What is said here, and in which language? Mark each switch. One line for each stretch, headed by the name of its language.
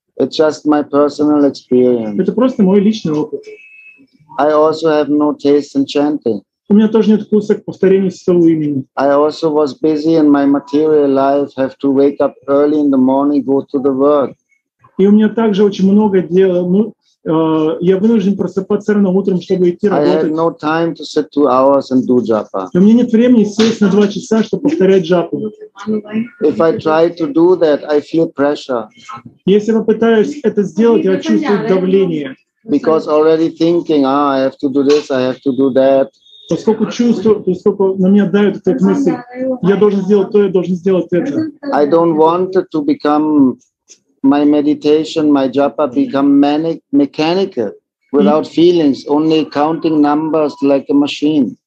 English: It's just my personal experience.
Russian: Это просто мой личный опыт.
English: I also have no taste in chanting.
Russian: У меня тоже нет вкуса к повторению святого имени.
English: I also was busy in my material life, have to wake up early in the morning, go to the work.
Russian: И у меня также очень много дел, Я вынужден просыпаться рано утром, чтобы идти работать.
English: I have no time to sit 2 hours and do japa.
Russian: У меня нет времени сесть на 2 часа, чтобы повторять джапу.
English: If I try to do that, I feel pressure.
Russian: Если я пытаюсь это сделать, я чувствую давление.
English: Because already thinking, ah, I have to do this, I have to do that.
Russian: Поскольку чувствую, поскольку на меня давит эта мысль, я должен сделать то, я должен сделать это.
English: I don't want to become my meditation, my japa become manic, mechanical, without feelings, only counting numbers like a machine.